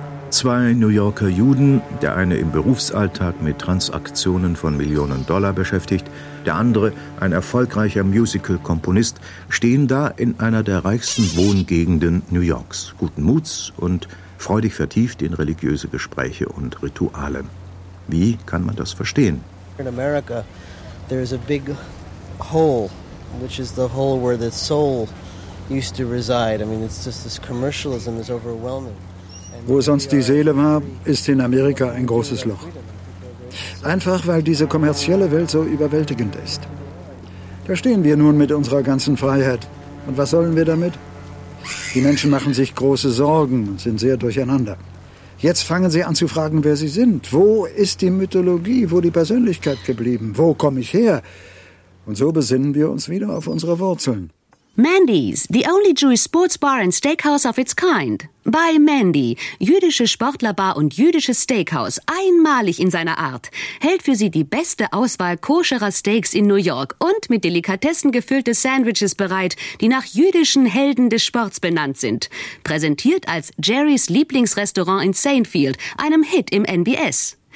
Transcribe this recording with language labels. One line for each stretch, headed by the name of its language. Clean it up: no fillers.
German: Zwei New Yorker Juden, der eine im Berufsalltag mit Transaktionen von Millionen Dollar beschäftigt, der andere, ein erfolgreicher Musical-Komponist, stehen da in einer der reichsten Wohngegenden New Yorks, guten Muts und freudig vertieft in religiöse Gespräche und Rituale. Wie kann man das verstehen?
English: In America, there is a big hole, which is the hole where the soul used to reside. I mean, it's just this commercialism is overwhelming.
German: Wo sonst die Seele war, ist in Amerika ein großes Loch. Einfach, weil diese kommerzielle Welt so überwältigend ist. Da stehen wir nun mit unserer ganzen Freiheit. Und was sollen wir damit? Die Menschen machen sich große Sorgen und sind sehr durcheinander. Jetzt fangen sie an zu fragen, wer sie sind. Wo ist die Mythologie, wo die Persönlichkeit geblieben? Wo komme ich her? Und so besinnen wir uns wieder auf unsere Wurzeln.
English: Mandy's, the only Jewish sports bar and steakhouse of its kind.
German: Bei Mandy, jüdische Sportlerbar und jüdisches Steakhouse, einmalig in seiner Art, hält für sie die beste Auswahl koscherer Steaks in New York und mit Delikatessen gefüllte Sandwiches bereit, die nach jüdischen Helden des Sports benannt sind. Präsentiert als Jerrys Lieblingsrestaurant in Sainfield, einem Hit im NBS.